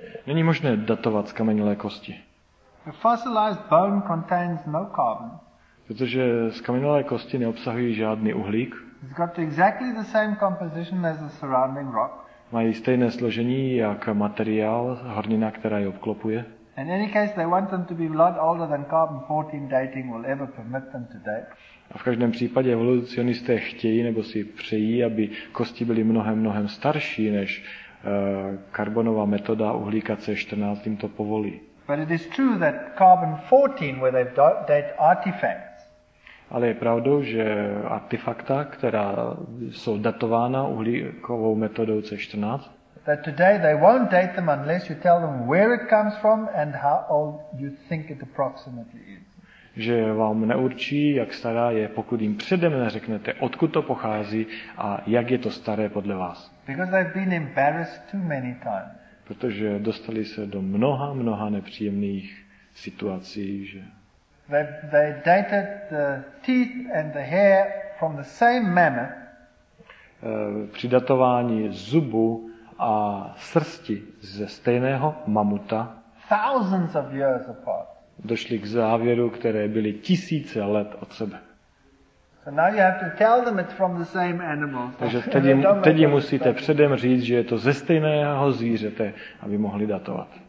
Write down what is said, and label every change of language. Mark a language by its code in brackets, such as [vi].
[cs] Není možné datovat skamenilé kosti. [en] A fossilized bone contains no carbon. [cs] Protože skamenilé kosti neobsahují žádný uhlík. [en] It's got exactly the same composition as the surrounding rock. [cs] Mají stejné složení jak materiál, hornina, která je obklopuje. [en] In any case, they want them to be a lot older than carbon 14 dating will ever permit them to date. [cs] A v každém případě evolucionisté chtějí nebo si přejí, aby kosti byly mnohem starší než karbonová metoda uhlíka C14 jim to povolí. [en] But it is true that carbon 14, where they date artifacts. [cs] Ale je pravdou, že artefakta, která jsou datována uhlíkovou metodou C14. [en] That today they won't date them unless you tell them where it comes from and how old you think it approximately is. [cs] Že vám neurčí, jak stará je, pokud jim předem neřeknete, odkud to pochází a jak je to staré podle vás. [en] Because they've been embarrassed too many times. [cs] Protože dostali se do mnoha nepříjemných situací, že [en] they dated the teeth and the hair from the same mammoth. [cs] Při datování zubu a srsti ze stejného mamuta. [en] Thousands of years apart. [cs] Došli k závěru, které byly tisíce let od sebe. [en] So now you have to tell them it's from the same animal. [cs] Takže teď musíte předem říct, že je to ze stejného zvířete, aby mohli datovat.